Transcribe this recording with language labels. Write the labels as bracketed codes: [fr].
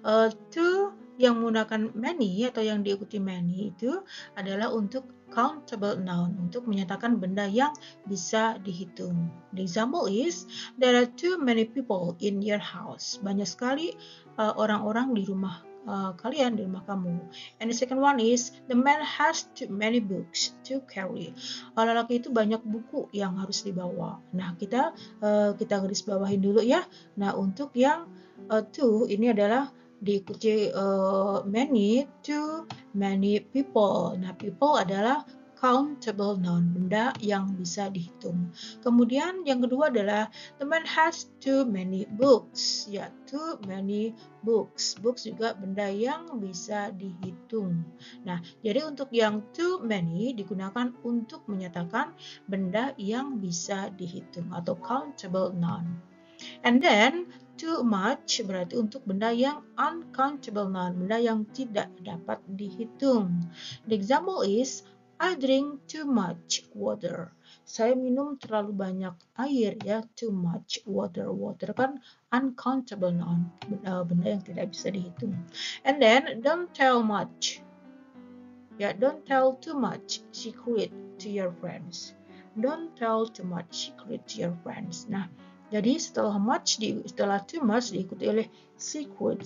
[id] To yang menggunakan many atau yang diikuti many itu adalah untuk countable noun, untuk menyatakan benda yang bisa dihitung. [en] The example is, there are too many people in your house. [id] Banyak sekali orang-orang di rumah kalian, di rumah kamu. [en] And the second one is, the man has too many books to carry. [id] Laki-laki itu banyak buku yang harus dibawa. Nah, kita garis bawahin dulu ya. Nah, untuk yang ini adalah diikuti many to many people. Nah, people adalah countable noun, benda yang bisa dihitung. Kemudian yang kedua adalah [en] the man has too many books, ya too many books. [id] Books juga benda yang bisa dihitung. Nah, jadi untuk yang too many digunakan untuk menyatakan benda yang bisa dihitung atau countable noun. [en] And then too much [id] berarti untuk benda yang uncountable noun, benda yang tidak dapat dihitung. [en] The example is I drink too much water. [id] Saya minum terlalu banyak air ya, [en] too much water. [id] Water kan uncountable noun, benda yang tidak bisa dihitung. [en] And then don't tell much. Ya, don't tell too much secret to your friends. Don't tell too much secret to your friends. [id] Nah, jadi setelah much di setelah too much diikuti oleh secret.